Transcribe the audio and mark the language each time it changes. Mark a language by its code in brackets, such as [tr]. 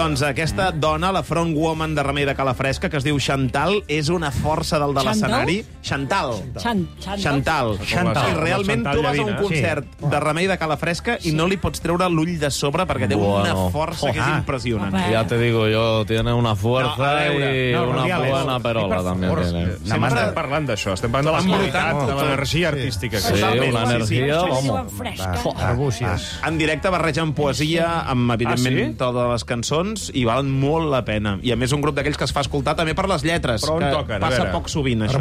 [ca] Doncs aquesta dona, la front woman cantant de Remei de Calafresca, que es diu Chantal, és una força del de l'escenari. Chantal. Chantal. Chantal. Sí, realment, Chantal, tu vas a un concert de Remei de Calafresca i no li pots treure l'ull de sobre perquè té una força que és impressionant. [es] Ja te digo yo, tiene una fuerza y una buena perola también. [ca] Sempre parlant d'això, estem parlant de la qualitat, de l'energia artística. Sí, una energia, home. Arbúcies. En directe barregen poesia amb, evidentment, totes les cançons i valen molt la pena. I, a més, un grup d'aquells que es fa escoltar també per les lletres. Però on toquen? Passa poc sovint, això.